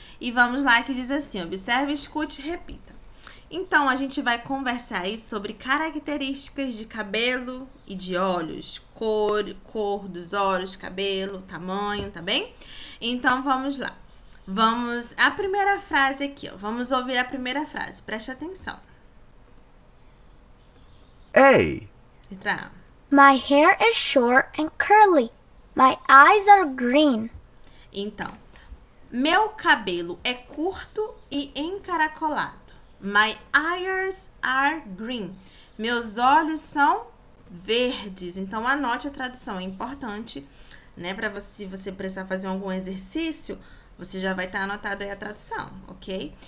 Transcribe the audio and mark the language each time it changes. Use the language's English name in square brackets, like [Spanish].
[Portuguese] E vamos lá que diz assim, observe, escute e repita. Então, a gente vai conversar aí sobre características de cabelo e de olhos. Cor dos olhos, cabelo, tamanho, tá bem? Então, vamos lá. Vamos à primeira frase aqui, ó. Vamos ouvir a primeira frase. Preste atenção. [English] Hey. My hair is short and curly. My eyes are green. [Portuguese] Então, meu cabelo é curto e encaracolado. [English] My eyes are green. [Portuguese] Meus olhos são verdes. Então, anote a tradução. É importante, né? Para você, se você precisar fazer algum exercício, você já vai estar anotado aí a tradução, ok?